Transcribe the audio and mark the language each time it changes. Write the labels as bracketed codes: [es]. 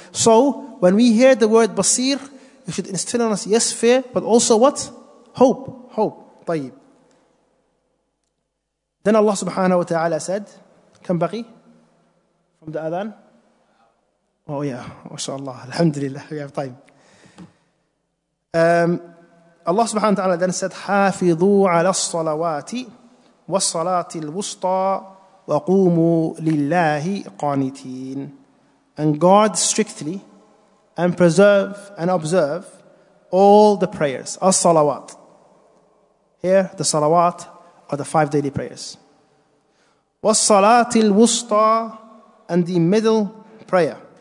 [en] So when we hear the word basir, you should instill in us, yes, fear, but also what? Hope. Hope. Tayyib. Then Allah subhanahu wa ta'ala said, kam baqi from the adhan? Oh yeah, mashallah. Alhamdulillah, we have time. [ar] Allah subhanahu wa ta'ala then said, حافظوا على الصلوات والصلاة الوسطى وقوموا لله قانتين. [en] And guard strictly and preserve and observe all the prayers. As-salawat. Here, the salawat are the five daily prayers. [ar] والصلاة الوسطى [en] and the middle prayer.